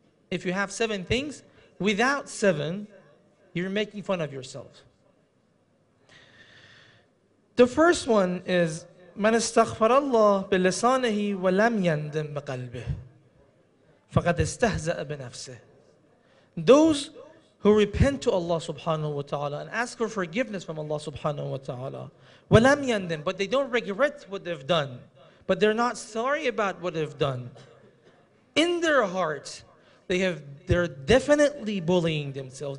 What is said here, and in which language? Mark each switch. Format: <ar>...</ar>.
<en>If you have seven things, without seven, you're making fun of yourself. The first one is,</en> <ar>من استغفر الله بلسانه ولم يندم بقلبه فقد استهزأ بنفسه.</ar> <en>Those who repent to Allah subhanahu wa ta'ala and ask for forgiveness from Allah subhanahu wa ta'ala,</en> <ar>ولم يندم,</ar> <en>but they don't regret what they've done, but they're not sorry about what they've done. In their heart, they're definitely bullying themselves.</en>